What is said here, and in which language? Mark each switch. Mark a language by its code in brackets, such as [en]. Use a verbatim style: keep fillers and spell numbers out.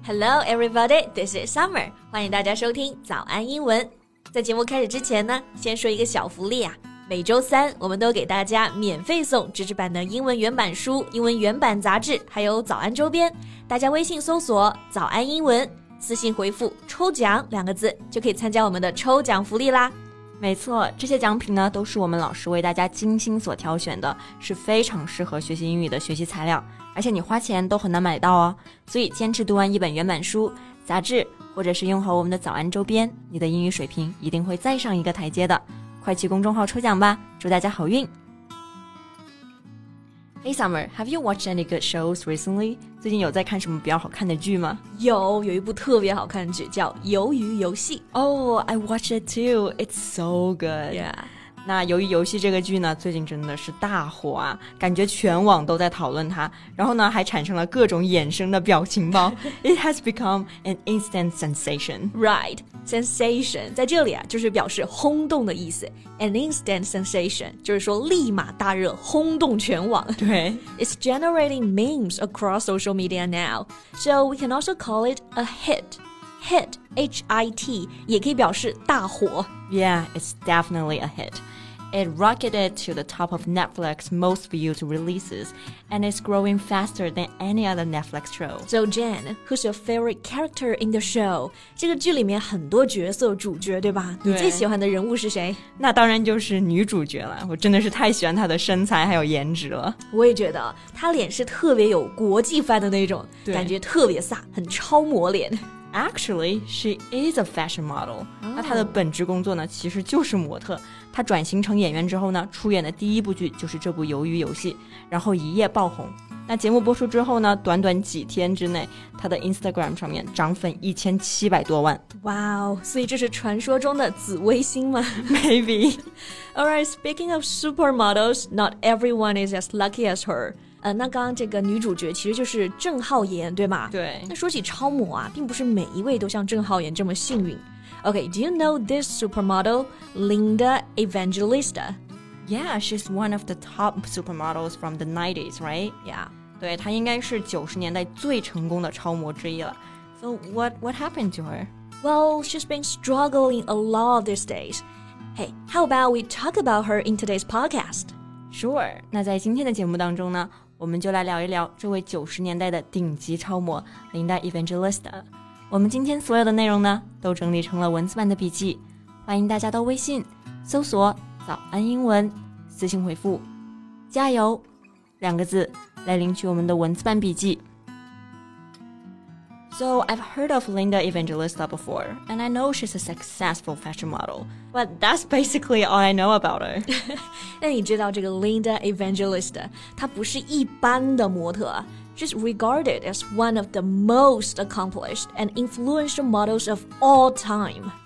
[en] Hello everybody, this is Summer. [zh] 欢迎大家收听早安英文。在节目开始之前呢，先说一个小福利啊。每周三我们都给大家免费送纸质版的英文原版书、英文原版杂志，还有早安周边。大家微信搜索早安英文，私信回复抽奖两个字，就可以参加我们的抽奖福利啦。没错，这些奖品呢都是我们老师为大家精心所挑选的，是非常适合学习英语的学习材料，而且你花钱都很难买到哦。所以坚持读完一本原版书、杂志，或者是用好我们的早安周边，你的英语水平一定会再上一个台阶的。快去公众号抽奖吧，祝大家好运。 [en] Hey Summer, have you watched any good shows recently? [zh] 最近有在看什么比较好看的剧吗？有，有一部特别好看的剧叫《鱿鱼游戏》。 [en] Oh, I watched it too. It's so good. Yeah. [zh] 那《鱿鱼游戏》这个剧呢，最近真的是大火啊，感觉全网都在讨论它。然后呢，还产生了各种衍生的表情包。 [en] It has become an instant sensation. Right. [zh] Sensation 在这里啊，就是表示轰动的意思。 [en] An instant sensation [zh] 就是说立马大热，轰动全网。对。 [en] It's generating memes across social media now, so we can also call it a hit. [zh] Hit, H I T, 也可以表示大火。 [en] Yeah, it's definitely a hit. It rocketed to the top of Netflix's most viewed releases, and it's growing faster than any other Netflix show. So Jen, who's your favorite character in the show? [zh] 这个剧里面很多角色主角，对吧？对。你最喜欢的人物是谁？那当然就是女主角了，我真的是太喜欢她的身材还有颜值了。我也觉得，她脸是特别有国际范的那种，感觉特别飒，很超模脸。 [en] Actually, she is a fashion model. [zh] 那她的本职工作呢，其实就是模特。她转型成演员之后呢，出演的第一部剧就是这部《鱿鱼游戏》，然后一夜爆红。那节目播出之后呢，短短几天之内，她的 Instagram 上面涨粉一千七百多万。哇哦！所以这是传说中的紫微星吗？ [en] Maybe. All right. Speaking of supermodels, not everyone is as lucky as her. [zh] 呃，那刚刚这个女主角其实就是郑浩妍，对吗？对。那说起超模啊，并不是每一位都像郑浩妍这么幸运。 [en] Okay, do you know this supermodel, Linda Evangelista? Yeah, she's one of the top supermodels from the nineties, right? Yeah. [zh] 对，她应该是九十年代最成功的超模之一了。 [en] So what, what happened to her? Well, she's been struggling a lot these days. Hey, how about we talk about her in today's podcast? Sure. [zh] 那在今天的节目当中呢，我们就来聊一聊这位九十年代的顶级超模 Linda Evangelista。我们今天所有的内容呢都整理成了文字版的笔记，欢迎大家到微信搜索早安英文，私信回复加油两个字来领取我们的文字版笔记。 [en] So I've heard of Linda Evangelista before, and I know she's a successful fashion model, but that's basically all I know about her. [zh] 那你知道这个 Linda Evangelista 她不是一般的模特啊。 [en] She's regarded as one of the most accomplished and influential models of all time.